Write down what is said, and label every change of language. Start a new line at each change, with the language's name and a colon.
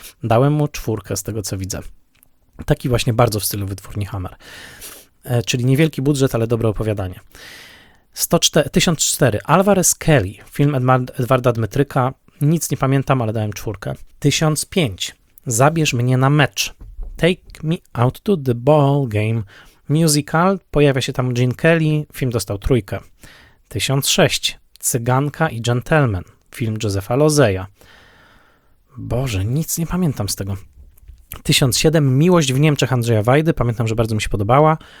Polish: Dałem mu czwórkę z tego, co widzę. Taki właśnie bardzo w stylu wytwórni Hammer. Czyli niewielki budżet, ale dobre opowiadanie. 1004, Alvarez Kelly, film Edwarda Dmytryka. Nic nie pamiętam, ale dałem czwórkę. 1005, Zabierz mnie na mecz.
English: Take me out to the ball game.
Polish: Musical, pojawia się tam Gene Kelly, film dostał trójkę. 1006, Cyganka i Gentleman, film Josepha Lozeja. Boże, nic nie pamiętam z tego. 1007, Miłość w Niemczech Andrzeja Wajdy, pamiętam, że bardzo mi się podobała.